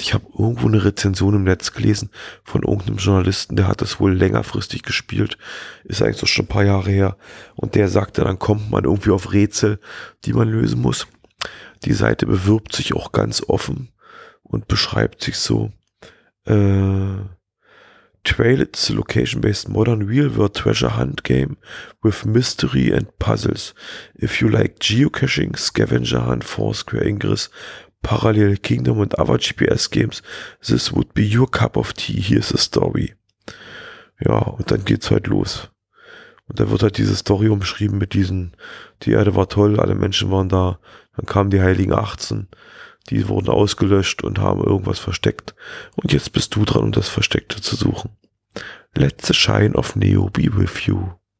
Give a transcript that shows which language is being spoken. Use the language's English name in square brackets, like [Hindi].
[German] Ich habe irgendwo eine Rezension im Netz gelesen von irgendeinem Journalisten, der hat das wohl längerfristig gespielt, ist eigentlich so schon ein paar Jahre her, und der sagte, dann kommt man irgendwie auf Rätsel, die man lösen muss. Die Seite bewirbt sich auch ganz offen und beschreibt sich so. [English] Trail, it's a location-based modern real-world treasure hunt game with mystery and puzzles. If you like geocaching, scavenger hunt, Foursquare, Ingress, Parallel Kingdom and other GPS games, this would be your cup of tea. Here's a story. [German] Ja, und dann geht's halt los. Und dann wird halt diese Story umschrieben mit diesen, die Erde war toll, alle Menschen waren da, dann kamen die heiligen 18. Die wurden ausgelöscht und haben irgendwas versteckt. Und jetzt bist du dran, um das Versteckte zu suchen. [English] Let the shine of Neo be with you.